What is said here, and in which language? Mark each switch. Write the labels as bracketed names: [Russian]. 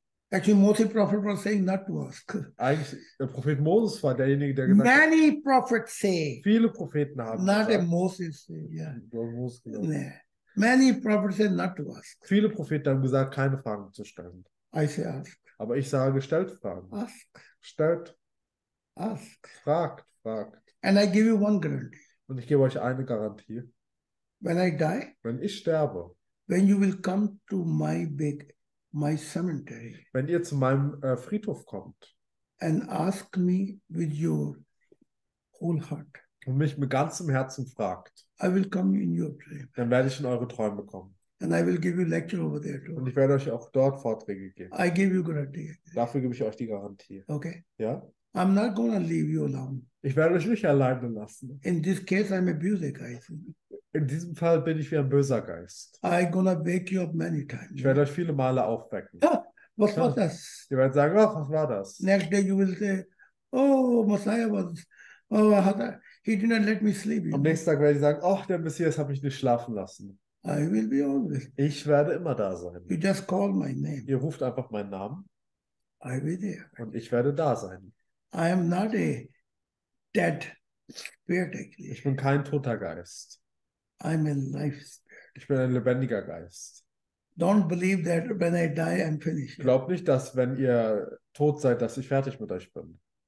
[English] Actually, Moses Prophet was saying not to ask. [German] Eigentlich, der Prophet Moses war derjenige, der gesagt [English] hat. Many prophets say. [German] Viele Propheten haben [English] not gesagt. Not a Moses say, yeah. [German] Moses, [English] ja. Nee. Many prophets say not to ask. [German] Viele Propheten haben gesagt, keine Fragen zu stellen. [English] I say ask. [German] Aber ich sage, stellt Fragen. [English] Ask. [German] Stellt. [English] Ask. [German] Fragt, fragt. [English] And I give you one guarantee. [German] Und ich gebe euch eine Garantie. [English] When I die. [German] Wenn ich sterbe. [English] When you will come to my big my cemetery. [German] Wenn ihr zu meinem Friedhof kommt [English] and ask me with your whole heart, [German] und mich mit ganzem Herzen fragt, [English] I will come in your dream. [German] Dann werde ich in eure Träume kommen. [English] And I will give you lecture over there too. [German] Und ich werde euch auch dort Vorträge geben. [English] I give you guarantee. [German] Dafür gebe ich euch die Garantie. [English] Okay. [German] Ja? [English] I'm not gonna leave you alone. [German] Ich werde euch nicht alleine lassen. [English] In this case, I'm a [German] böser Geist. In diesem Fall bin ich wie ein böser Geist. [English] I'm gonna wake you up many times. [German] Ich werde euch viele Male aufwecken. Ah, was war das? Ihr werdet sagen, ach, was war das? [English] Next day you will say, oh, Messiah was, oh, he did not let me sleep. [German] Am nächsten Tag werde ich sagen, ach, der Messias hat mich nicht schlafen lassen. [English] I will be always. [German] Ich werde immer da sein. [English] You just call my name. [German] Ihr ruft einfach meinen Namen. [English] I will be there. [German] Und ich werde da sein. [English] I am not a dead spirit, actually. [German] Ich bin kein toter Geist. [English] I'm a life spirit. [German] Ich bin ein lebendiger Geist. [English] Don't believe that when I die, I'm finished. [German] Glaubt nicht, dass wenn ihr tot seid, dass ich fertig mit euch bin.